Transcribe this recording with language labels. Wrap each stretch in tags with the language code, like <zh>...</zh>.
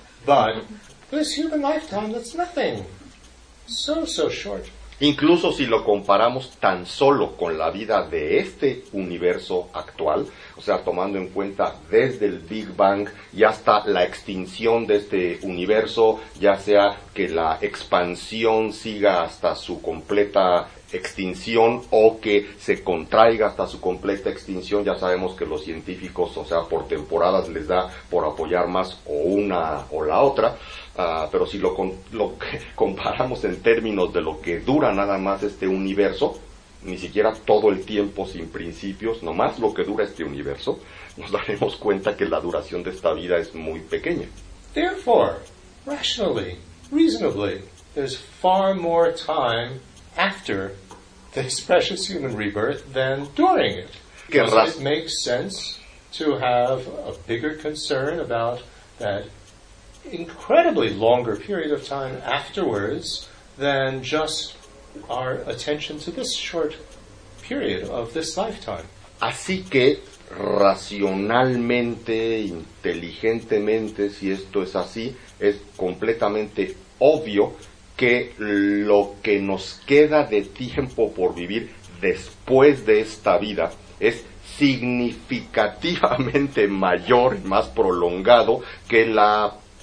<en>But this human lifetime, that's nothing. So, so short.</en> <es>Incluso si lo comparamos tan solo con la vida de este universo actual, o sea, tomando en cuenta desde el Big Bang y hasta la extinción de este universo, ya sea que la expansión siga hasta su completa extinción o que se contraiga hasta su completa extinción, ya sabemos que los científicos, o sea, por temporadas les da por apoyar más o una o la otra, pero si lo comparamos en términos de lo que dura nada más este universo, ni siquiera todo el tiempo sin principios, nomás lo que dura este universo, nos daremos cuenta que la duración de esta vida es muy pequeña.</es> <en>Therefore, rationally, reasonably, there's far more time after this precious human rebirth than during it. Does it make sense to have a bigger concern about that incredibly longer period of time afterwards than just our attention to this short period of this lifetime?</en> <es>Así que racionalmente, inteligentemente, si esto es así, es completamente obvio que lo que nos queda de tiempo por vivir después de esta vida es significativamente mayor, más prolongado que la</es>